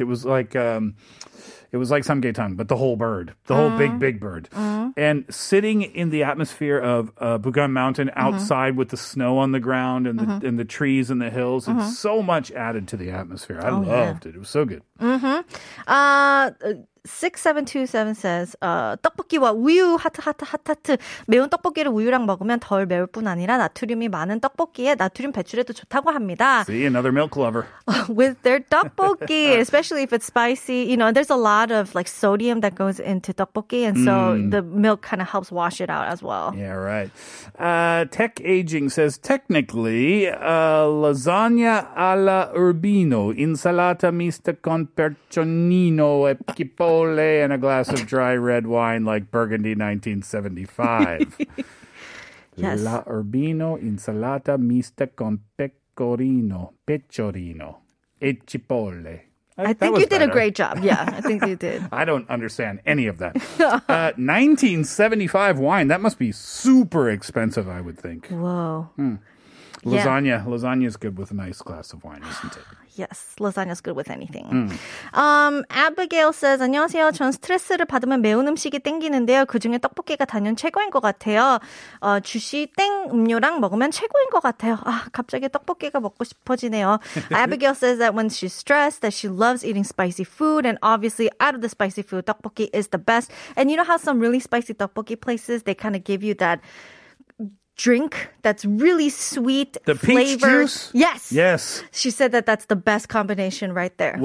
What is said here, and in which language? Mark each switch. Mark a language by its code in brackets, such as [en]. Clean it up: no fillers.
[en] It was like samgyetang, but the whole bird. The whole big bird. Mm-hmm. And sitting in the atmosphere of Bugan Mountain outside with the snow on the ground and and the trees and the hills, it's so much added to the atmosphere. I loved it. It was so good. Mm-hmm. 6727 says [ko] 떡볶이와 우유 하트 하트 하트 하트 매운 떡볶이를 우유랑 먹으면 덜 매울 뿐 아니라 나트륨이 많은 떡볶이에 나트륨 배출에도 좋다고 합니다. [en] See another milk lover. With their 떡볶이 especially if it's spicy, you know, there's a lot of like sodium that goes into 떡볶이 and so the milk kind of helps wash it out as well. Yeah, right. Tech Aging says technically [it] lasagna alla urbino insalata mista con percionino e cipolle [en] and a glass of dry red wine like Burgundy 1975. Yes. [it] La Urbino insalata mista con pecorino, pecorino e cipolle. [en] I think you did a great job. Yeah, I think you did. I don't understand any of that. 1975 wine, that must be super expensive, I would think. Whoa. Hmm. Lasagna. Yeah. Lasagna's good with a nice glass of wine, isn't it? Yes, lasagna's good with anything. Abigail says, [ko] 안녕하세요. 전 스트레스를 받으면 매운 음식이 땡기는데요. 그중에 떡볶이가 단연 최고인 것 같아요. 주시 땡 음료랑 먹으면 최고인 것 같아요. 아, 갑자기 떡볶이가 먹고 싶어지네요. [en] Abigail says that when she's stressed, that she loves eating spicy food. And obviously, out of the spicy food, 떡볶이 is the best. And you know how some really spicy 떡볶이 places, they kind of give you that drink that's really sweet. The flavor. Peach juice? Yes. Yes. She said that that's the best combination right there.